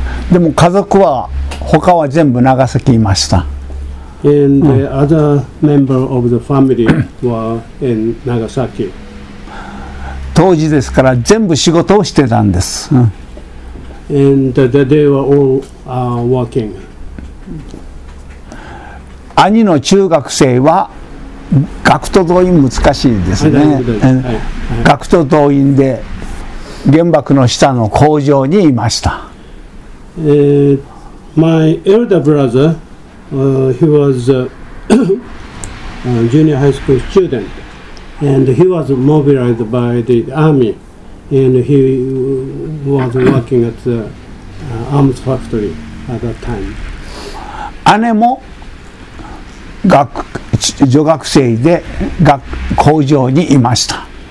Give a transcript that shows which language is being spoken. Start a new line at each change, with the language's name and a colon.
Japanese: でも家族は他は全部長崎にいました。
English: And the other member of the family were in Nagasaki.
Japanese: 当時ですから全部仕事をしてたんです。
English: And the they were all working.
Japanese: 兄の中学生は学徒動員難しいですね、学徒動員で原爆の下の工場にいました。
English: My elder brother, he was a junior high school student and he was mobilized by the army and he was working at the arms factory at that time.
Japanese: 姉も学女学生で学工場にいました。